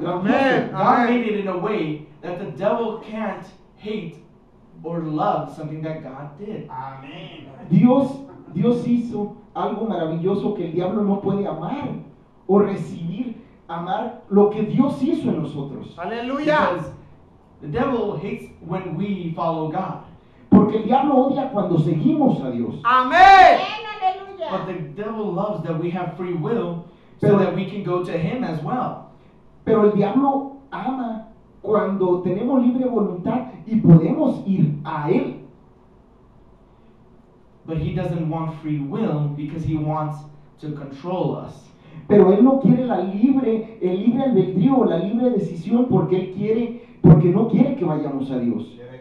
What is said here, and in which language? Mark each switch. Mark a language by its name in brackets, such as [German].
[English] God made it in a way that the devil can't hate or love something that God did. Amen. [Spanish] Dios hizo algo maravilloso que el diablo no puede amar o recibir, amar lo que Dios hizo en nosotros. Aleluya. [English] The devil hates when we follow God. [Spanish] Porque el diablo odia cuando seguimos a Dios. Amén. Aleluya. [English] But the devil loves that we have free will, so that we can go to him as well. [Spanish] Pero el diablo ama cuando tenemos libre voluntad y podemos ir a él. [English] But he doesn't want free will because he wants to control us. [Spanish] Pero él no quiere la libre, el libre albedrío, la libre decisión, porque él quiere, porque no quiere que vayamos a Dios.